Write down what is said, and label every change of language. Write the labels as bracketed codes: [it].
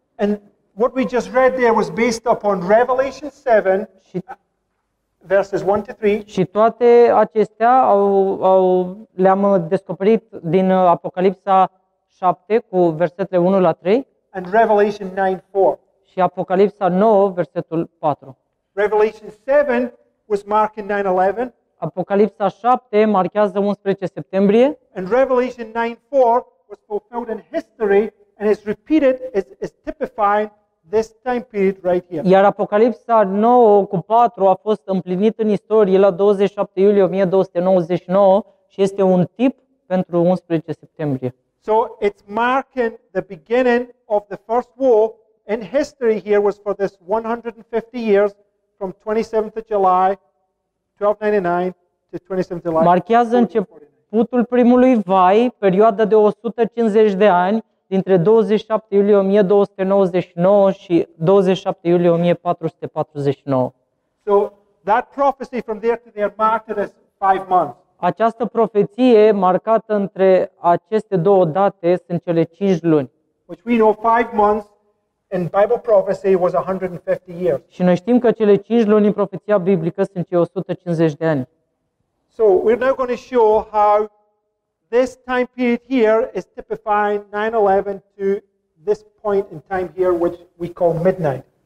[en] And what we just read there was based upon Revelation 7 și verses 1 to 3. [ro] Și toate acestea le-am descoperit din Apocalipsa 7 cu versetele 1 la 3 [en] and Revelation 9:4. [ro] Și Apocalipsa 9 versetul 4. [en] Revelation 7 was marking 9/11. [ro] Apocalipsa 7 marchează 11 septembrie. [en] And Revelation 9:4 was fulfilled in history and is repeated is typifying this time period right here. [ro] Iar Apocalipsa 9 cu 4 a fost împlinit în istorie la 27 iulie 1299 și este un tip pentru 11 septembrie. [en] So it's marking the beginning of the first war in history here was for this 150 years from 27th of July 1299 to 27th July. [ro] Marchează începutul primului vai, perioada de 150 de ani, dintre 27 iulie 1299 și 27 iulie 1449. [en] So that prophecy from there to there marked as 5 months. [ro] Această profeție marcată între aceste două date sunt cele 5 luni. [en] Which we know 5 months in Bible prophecy was 150 years. [ro] Și noi știm că cele 5 luni în profeția biblică sunt cei 150 de ani. [en] So, we're now going to show how this time period here is typifying 9/11 to this point in time here which we call midnight.